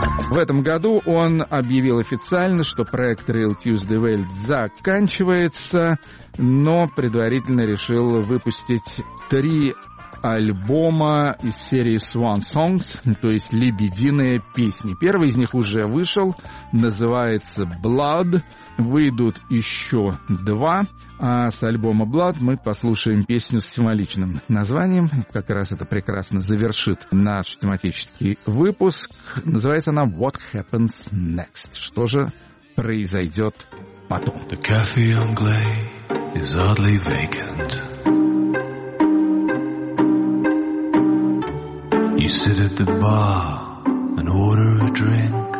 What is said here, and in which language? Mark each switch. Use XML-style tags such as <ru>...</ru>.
<ru>В этом году он объявил официально, что проект Real Tuesday World заканчивается, но предварительно решил выпустить 3 альбома из серии Swan Songs, то есть «Лебединые песни». Первый из них уже вышел, называется «Blood». Выйдут еще 2, а с альбома «Blood» мы послушаем песню с символичным названием. Как раз это прекрасно завершит наш тематический выпуск. Называется она «What Happens Next». Что же произойдет потом?</ru> <en>The cafe on Glay is oddly vacant. You sit at the bar and order a drink.</en>